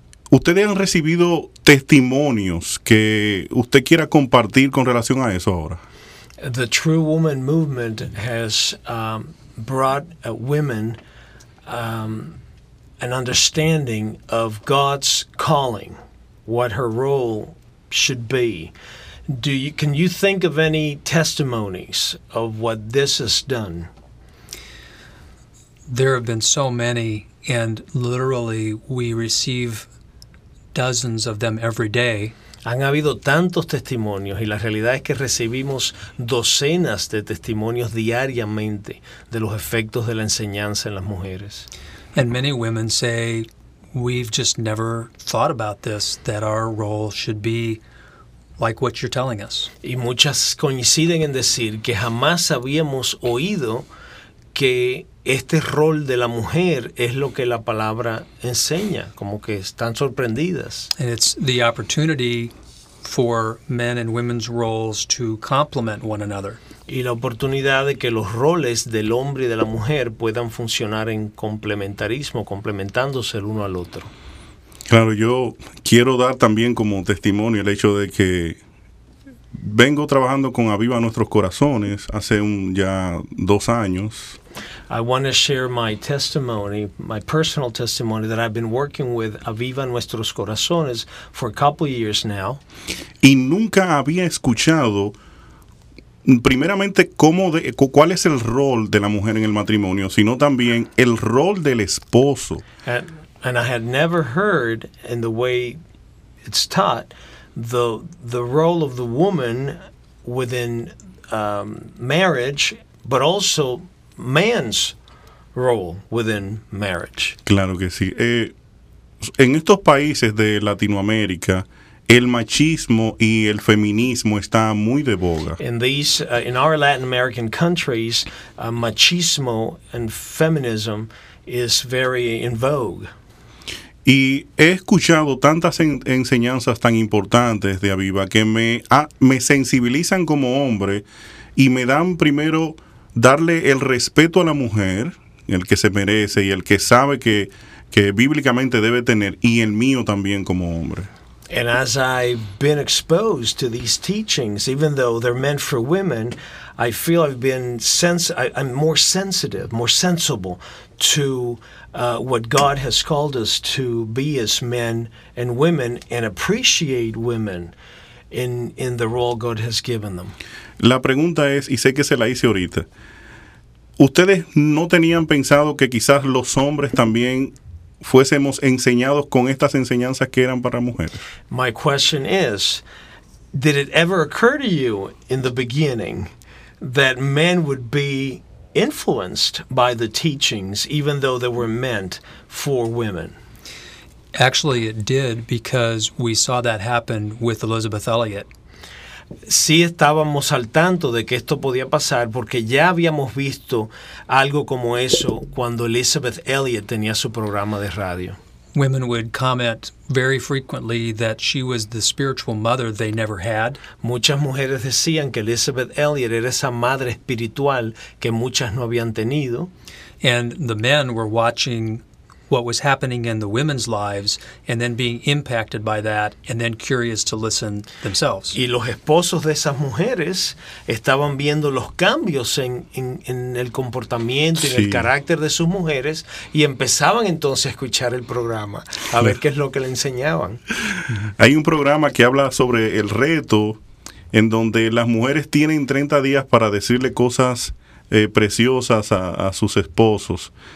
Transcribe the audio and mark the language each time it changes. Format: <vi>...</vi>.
<es>¿Ustedes han recibido testimonios que usted quiera compartir con relación a eso ahora?</es> <en>The True Woman Movement has brought women an understanding of God's calling, what her role should be. Can you think of any testimonies of what this has done? There have been so many, and literally we receive dozens of them every day.</en> <es>Han habido tantos testimonios, y la realidad es que recibimos docenas de testimonios diariamente de los efectos de la enseñanza en las mujeres.</es> <en>And many women say, we've just never thought about this, that our role should be like what you're telling us.</en> <es>Y muchas coinciden en decir que jamás habíamos oído que este rol de la mujer es lo que la palabra enseña, como que están sorprendidas.</es> <en>And it's the opportunity for men and women's roles to complement one another.</en> <es>Y la oportunidad de que los roles del hombre y de la mujer puedan funcionar en complementarismo, complementándose el uno al otro. Claro, yo quiero dar también como testimonio el hecho de que vengo trabajando con Aviva Nuestros Corazones hace ya 2 años.</es> <en>I want to share my testimony, my personal testimony, that I've been working with Aviva Nuestros Corazones for a couple of years now.</en> <es>Y nunca había escuchado, primeramente, cuál es el rol de la mujer en el matrimonio, sino también el rol del esposo.</es> <en>And I had never heard, in the way it's taught, the role of the woman within marriage, but also man's role within marriage.</en> <es>Claro que sí. En estos países de Latinoamérica, el machismo y el feminismo está muy de boga.</es> <en>In our Latin American countries, machismo and feminism is very in vogue.</en> <es>Y he escuchado tantas enseñanzas tan importantes de Aviva que me sensibilizan como hombre y me dan primero darle el respeto a la mujer, el que se merece y el que sabe que bíblicamente debe tener, y el mío también como hombre.</es> <en>And as I've been exposed to these teachings, even though they're meant for women, I feel I've been I'm more sensitive, more sensible to what God has called us to be as men and women, and appreciate women in the role God has given them.</en> <es>La pregunta es, y sé que se la hice ahorita, ¿ustedes no tenían pensado que quizás los hombres también fuésemos enseñados con estas enseñanzas que eran para mujeres?</es> <en>My question is, Did it ever occur to you in the beginning that men would be influenced by the teachings, even though they were meant for women? Actually, it did, because we saw that happen with Elizabeth Elliot.</en> <es>Sí, estábamos al tanto de que esto podía pasar porque ya habíamos visto algo como eso cuando Elizabeth Elliot tenía su programa de radio.</es> <en>Women would comment very frequently that she was the spiritual mother they never had.</en> <es>Muchas mujeres decían que Elizabeth Elliot era esa madre espiritual que muchas no habían tenido.</es> <en>And the men were watching what was happening in the women's lives and then being impacted by that and then curious to listen themselves.</en> <es>Y los esposos de esas mujeres estaban viendo los cambios en el comportamiento, sí, en el carácter de sus mujeres, y empezaban entonces a escuchar el programa a ver qué es lo que le enseñaban. Hay un programa que habla sobre el reto en donde las mujeres tienen 30 días para decirle cosas preciosas a sus esposos.</es>